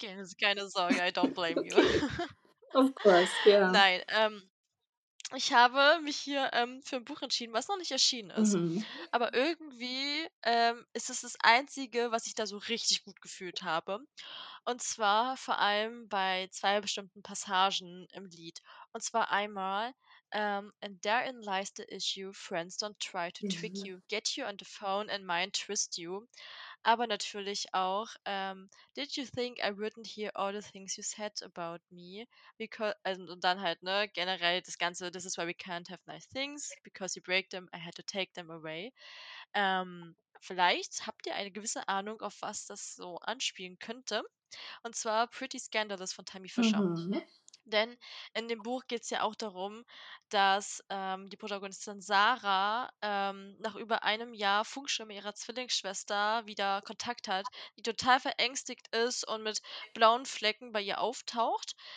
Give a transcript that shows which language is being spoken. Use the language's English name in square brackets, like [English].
[German] Keine Sorge, [English] I don't blame you. Of course, [German] Nein, ich habe mich hier für ein Buch entschieden, was noch nicht erschienen ist. Mhm. Aber irgendwie ist es das Einzige, was ich da so richtig gut gefühlt habe. Und zwar vor allem bei zwei bestimmten Passagen im Lied. Und zwar einmal [English] And therein lies the issue, friends don't try to trick you, get you on the phone and mind twist you. [German] Aber natürlich auch [English] Did you think I wouldn't hear all the things you said about me? [German] Und dann halt, ne, generell das Ganze, [English] this is why we can't have nice things, because you break them, I had to take them away. [German] Vielleicht habt ihr eine gewisse Ahnung, auf was das so anspielen könnte. Und zwar Pretty Scandalous von Tammy Fischer. Mhm. Denn in dem Buch geht es ja auch darum, dass die Protagonistin Sarah nach über einem Jahr Funkstimme ihrer Zwillingsschwester wieder Kontakt hat, die total verängstigt ist und mit blauen Flecken bei ihr auftaucht.